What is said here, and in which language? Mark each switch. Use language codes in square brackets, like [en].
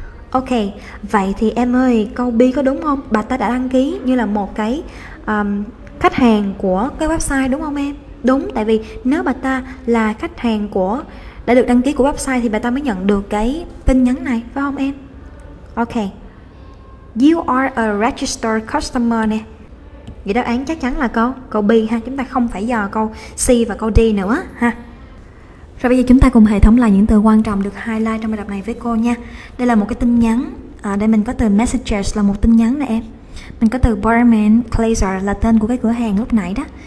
[vi] Ok, vậy thì em ơi, câu B có đúng không? Bà ta đã đăng ký như là một cái khách hàng của cái website đúng không em? Đúng, tại vì nếu bà ta là khách hàng của đã được đăng ký của website thì bà ta mới nhận được cái tin nhắn này, phải không em? [en] Ok, you are a registered customer nè. [vi] Vậy đáp án chắc chắn là câu B ha, chúng ta không phải dò câu C và câu D nữa ha. Rồi bây giờ chúng ta cùng hệ thống lại những từ quan trọng được highlight trong bài tập này với cô nha. Đây là một cái tin nhắn, đây mình có từ messages là một tin nhắn nè em. Mình có từ barman, closer là tên của cái cửa hàng lúc nãy đó.